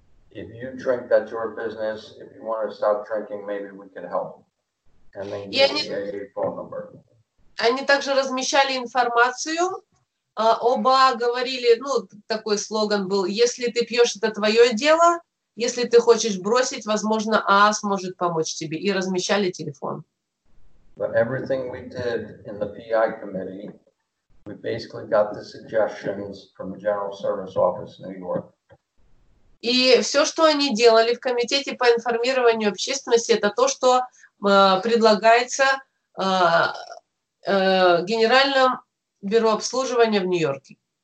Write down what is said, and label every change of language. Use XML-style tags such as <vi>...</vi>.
<en>If you drink, that's your business. If you want to stop drinking, maybe we can help. And then give me a phone number.</en> <ru>Они также размещали информацию. Оба говорили, ну, такой слоган был, если ты пьешь, это твое дело. Если ты хочешь бросить, возможно, АА сможет помочь тебе. И размещали телефон.</ru> <en>But everything we did in the PI committee We basically got the suggestions from the General Service Office in New York.</en> <ru>И все, что они делали в комитете по информированию общественности, это то, что предлагается Генеральному бюро обслуживания в Нью-Йорке.</ru>